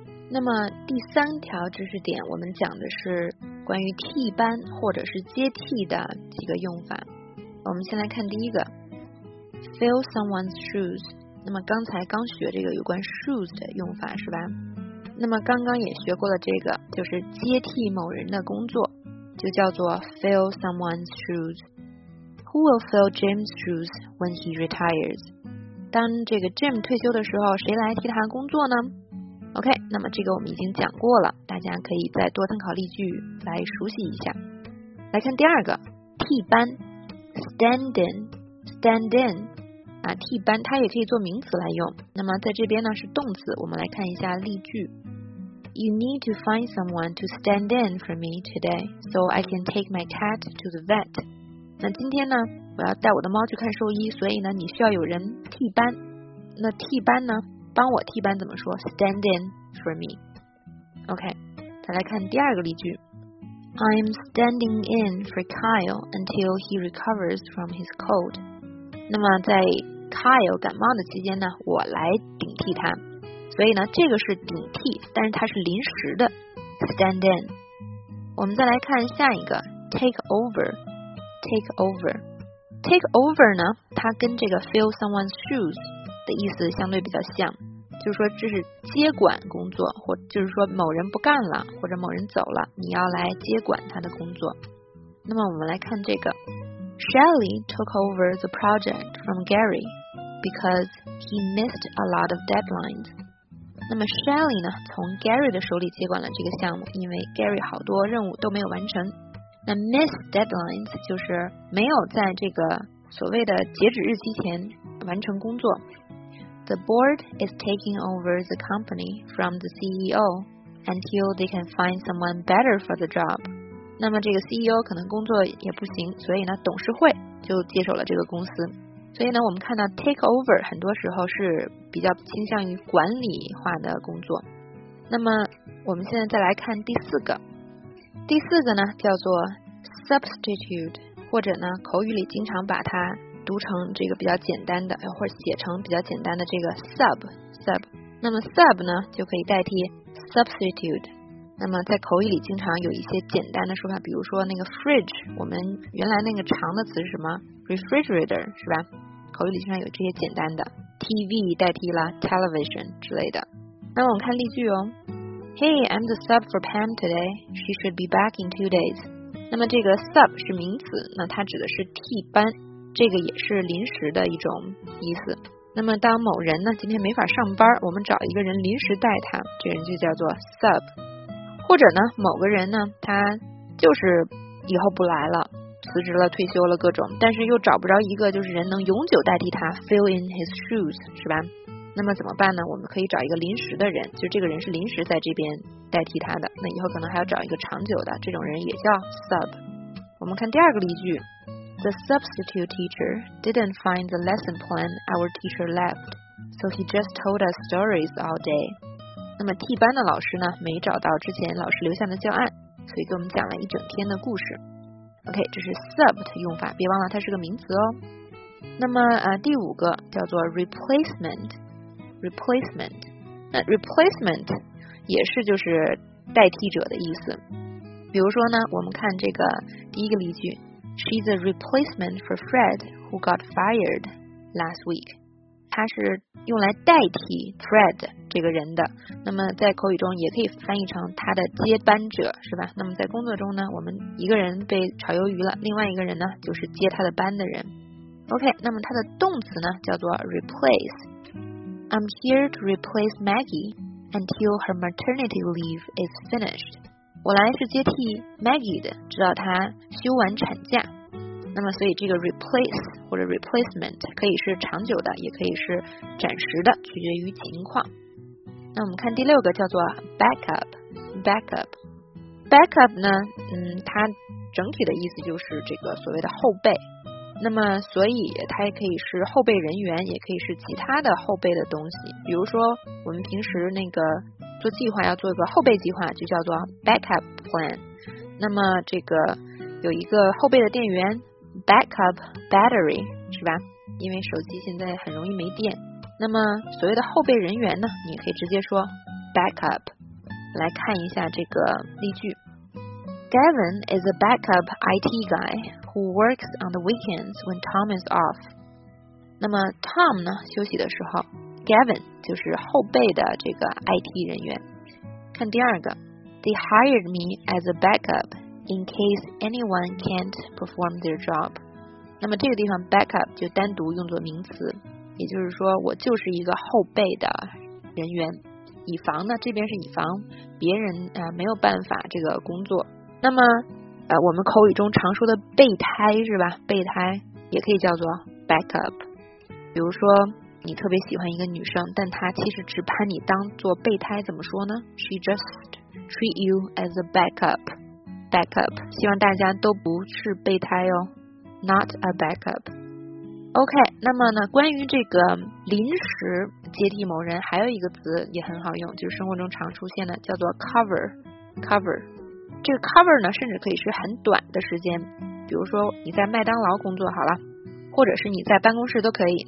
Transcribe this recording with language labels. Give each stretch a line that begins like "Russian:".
Chinese: 那么第三条知识点，我们讲的是关于替班或者是接替的几个用法。我们先来看第一个 ，
English: fill someone's shoes。
Chinese: 那么刚才刚学这个有关 shoes 的用法是吧？那么刚刚也学过了这个，就是接替某人的工作，就叫做
English: fill someone's shoes。 Who will fill Jim's shoes when he retires?
Chinese: 当这个 Jim 退休的时候，谁来替他工作呢？OK， 那么这个我们已经讲过了，大家可以再多参考例句来熟悉一下。来看第二个，替班 ，
English: stand in， stand in，
Chinese: 啊，替班它也可以做名词来用。那么在这边呢是动词，我们来看一下例句。
English: You need to find someone to stand in for me today, so I can take my cat to the vet.
Chinese: 那今天呢我要带我的猫去看兽医，所以呢你需要有人替班。那替班呢，帮我替班怎么说？
English: Stand in for me。
Chinese: OK， 再来看第二个例句。
English: I'm standing in for Kyle until he recovers from his cold。
Chinese: 那么在 Kyle 感冒的期间呢，我来顶替他，所以呢这个是顶替，但是它是临时的 Stand in。我们再来看下一个
English: Take overTake over， take over
Chinese: 呢，它跟这个
English: fill someone's shoes
Chinese: 的意思相对比较像，就是说这是接管工作，或就是说某人不干了，或者某人走了，你要来接管他的工作。那么我们来看这个
English: ，Shelley took over the project from Gary because he missed a lot of deadlines。
Chinese: 那么 Shelley 呢，从 Gary 的手里接管了这个项目，因为 Gary 好多任务都没有完成。那
English: miss deadlines
Chinese: 就是没有在这个所谓的截止日期前完成工作。
English: The board is taking over the company from the CEO until they can find someone better for the job。
Chinese: 那么这个 CEO 可能工作也不行，所以呢董事会就接手了这个公司。所以呢我们看到 take over 很多时候是比较倾向于管理化的工作。那么我们现在再来看第四个，第四个呢叫做 substitute， 或者呢口语里经常把它读成这个比较简单的，或者写成比较简单的这个 sub。那么 sub 呢就可以代替 substitute。那么在口语里经常有一些简单的说法，比如说那个 fridge， 我们原来那个长的词是什么 refrigerator 是吧？口语里经常有这些简单的 TV 代替了 television 之类的。那么我们看例句哦。
English: Hey, I'm the sub for Pam today. She should be back in 2 days.
Chinese: 那么这个 sub 是名词，那它指的是替班，这个也是临时的一种意思。那么当某人呢今天没法上班，我们找一个人临时带他，这人就叫做 sub。或者呢某个人呢他就是以后不来了，辞职了，退休了，各种，但是又找不着一个就是人能永久代替他
English: fill in his shoes
Chinese: 是吧？那么怎么办呢？我们可以找一个临时的人，就这个人是临时在这边代替他的，那以后可能还要找一个长久的，这种人也叫 sub。我们看第二个例句。
English: The substitute teacher didn't find the lesson plan our teacher left, so he just told us stories all day。
Chinese: 那么替班的老师呢没找到之前老师留下的教案，所以给我们讲了一整天的故事。 OK， 这是 sub 的用法，别忘了它是个名词哦。那么第五个叫做 replacementReplacement， 那 replacement 也是就是代替者的意思。比如说呢，我们看这个第一个例句
English: ，She's a replacement for Fred who got fired last week。
Chinese: 她是用来代替 Fred 这个人的。那么在口语中也可以翻译成他的接班者，是吧？那么在工作中呢，我们一个人被炒鱿鱼了，另外一个人呢就是接他的班的人。 OK， 那么它的动词呢叫做 replace。
English: I'm here to replace Maggie until her maternity leave is finished.
Chinese: 我来是接替 Maggie 的，直到她休完产假。那么所以这个 replace 或者 replacement 可以是长久的，也可以是暂时的，取决于情况。那我们看第六个叫做 backup。backup 呢它整体的意思就是这个所谓的后备。那么所以它也可以是后备人员，也可以是其他的后备的东西。比如说我们平时那个做计划要做一个后备计划，就叫做
English: backup plan。
Chinese: 那么这个有一个后备的电源
English: backup battery
Chinese: 是吧？因为手机现在很容易没电。那么所谓的后备人员呢，你可以直接说 backup。来看一下这个例句，
English: Gavin is a backup IT guy who works on the weekends when Tom is off。
Chinese: 那么 Tom 呢休息的时候， Gavin 就是后备的这个 IT 人员。看第二个，
English: They hired me as a backup in case anyone can't perform their job。
Chinese: 那么这个地方 backup 就单独用作名词，也就是说我就是一个后备的人员，以防呢，这边是以防别人没有办法这个工作。那么我们口语中常说的备胎是吧，备胎也可以叫做 backup。比如说你特别喜欢一个女生，但她其实只把你当做备胎，怎么说呢？
English: She just treat you as a backup。
Chinese: backup 希望大家都不是备胎哦，
English: not a backup。
Chinese: OK， 那么呢，关于这个临时接替某人，还有一个词也很好用，就是生活中常出现的，叫做 cover。 cover 这个 cover 呢，甚至可以是很短的时间，比如说你在麦当劳工作好了，或者是你在办公室都可以。